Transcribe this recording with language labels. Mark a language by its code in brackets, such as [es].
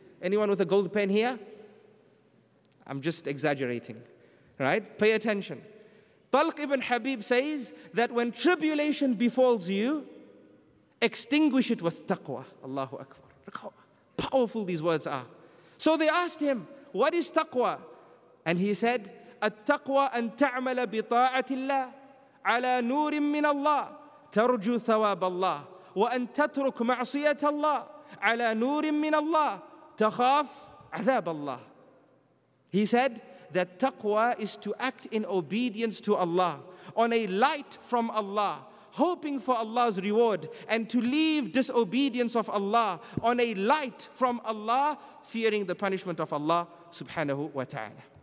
[en] Anyone with a gold pen here? I'm just exaggerating, right? Pay attention. Talq ibn Habib says that when tribulation befalls you, extinguish it with taqwa. Allahu Akbar. Look how powerful these words are. So they asked him, what is taqwa? And he said, [ar] التقوى أن تعمل بطاعة الله على نور من الله ترجو ثواب الله وأن تترك معصية الله على نور من الله تخاف عذاب الله. [en] He said that taqwa is to act in obedience to Allah on a light from Allah, hoping for Allah's reward, and to leave disobedience of Allah on a light from Allah, fearing the punishment of Allah subhanahu wa ta'ala.